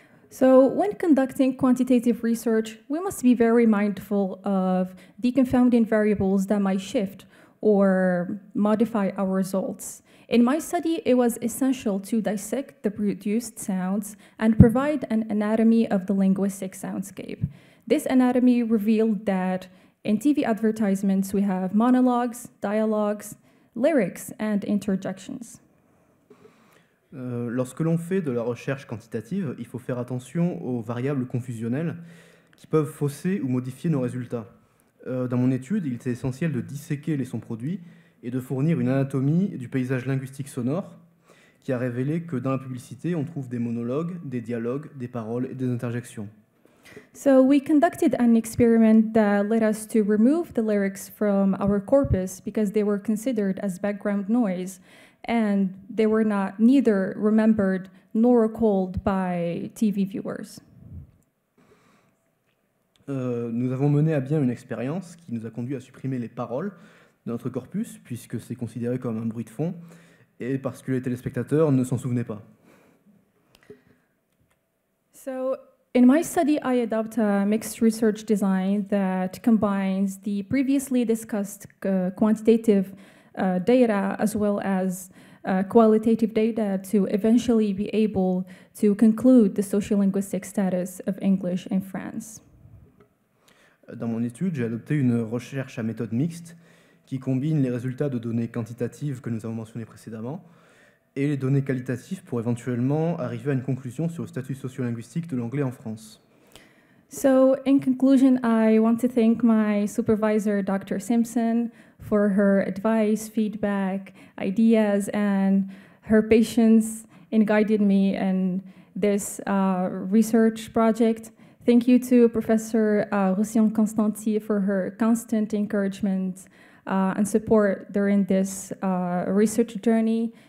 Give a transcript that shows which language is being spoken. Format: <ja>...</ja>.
<en>So, when conducting quantitative research, we must be very mindful of the confounding variables that might shift or modify our results. In my study, it was essential to dissect the produced sounds and provide an anatomy of the linguistic soundscape. This anatomy revealed that in TV advertisements, we have monologues, dialogues, lyrics, and interjections.</en> <fr>Lorsque l'on fait de la recherche quantitative, il faut faire attention aux variables confusionnelles qui peuvent fausser ou modifier nos résultats. Dans mon étude, il était essentiel de disséquer les sons produits et de fournir une anatomie du paysage linguistique sonore qui a révélé que dans la publicité, on trouve des monologues, des dialogues, des paroles et des interjections.</fr> <en>So we conducted an experiment that led us to remove the lyrics from our corpus because they were considered as background noise. And they were neither remembered nor recalled by TV viewers.</en> <fr>Nous avons mené à bien une expérience qui nous a conduit à supprimer les paroles de notre corpus, puisque c'est considéré comme un bruit de fond, et parce que les téléspectateurs ne s'en souvenaient pas.</fr> <en>So, in my study, I adopt a mixed research design that combines the previously discussed quantitative data as well as qualitative data to eventually be able to conclude the sociolinguistic status of English in France.</en> <fr>Dans mon étude, j'ai adopté une recherche à méthode mixte qui combine les résultats de données quantitatives que nous avons mentionnées précédemment et les données qualitatives pour éventuellement arriver à une conclusion sur le statut sociolinguistique de l'anglais en France.</fr> <en>So, in conclusion, I want to thank my supervisor, Dr. Simpson, for her advice, feedback, ideas, and her patience in guiding me in this research project. Thank you to Professor Roussillon Constanti for her constant encouragement and support during this research journey.</en>